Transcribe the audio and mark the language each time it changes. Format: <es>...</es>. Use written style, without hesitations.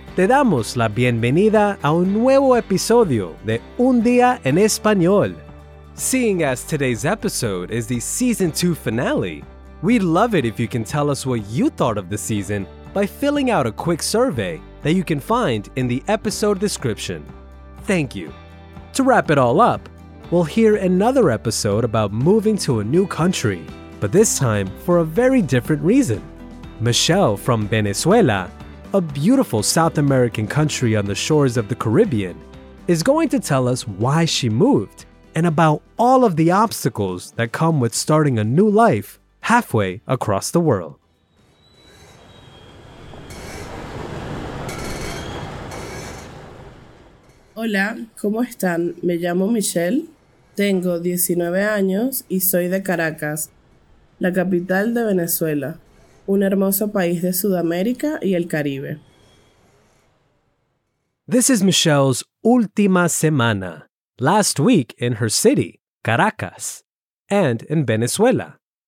<es>Te damos la bienvenida a un nuevo episodio de Un Día en Español.</es> <en>Seeing as today's episode is the season 2 finale, we'd love it if you can tell us what you thought of the season by filling out a quick survey that you can find in the episode description. Thank you. To wrap it all up, we'll hear another episode about moving to a new country, but this time for a very different reason. Michelle from Venezuela, a beautiful South American country on the shores of the Caribbean, is going to tell us why she moved and about all of the obstacles that come with starting a new life halfway across the world.</en> <es>Hola, ¿cómo están? Me llamo Michelle, tengo 19 años y soy de Caracas, la capital de Venezuela, un hermoso país de Sudamérica y el Caribe.</es> <en>This is Michelle's</en> <es>última semana,</es> <en>last week in her city, Caracas, and in Venezuela.</en>